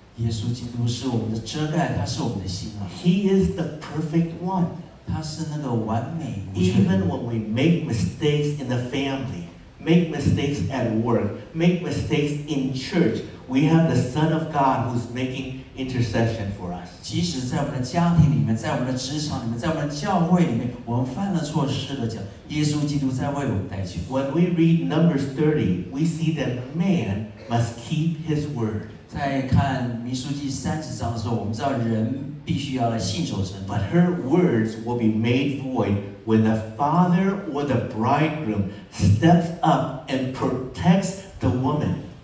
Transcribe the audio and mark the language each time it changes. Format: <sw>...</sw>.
<zh>耶稣基督是我们的遮盖，他是我们的新郎。</zh> <en>He is the perfect one.</en> <zh>他是那个完美无缺。</zh> <en>Even when we make mistakes in the family, make mistakes at work, make mistakes in church, we have the Son of God who's making intercession for us.</en> <zh>即使在我们的家庭里面，在我们的职场里面，在我们的教会里面，我们犯了错事的讲，耶稣基督在为我们代求。</zh> <en>When we read Numbers 30, we see that man must keep his word.</en> <zh>在看民数记30章的时候，我们知道人必须要来信守承诺。</zh> <en>But her words will be made void when the father or the bridegroom steps up and protects the woman.</en>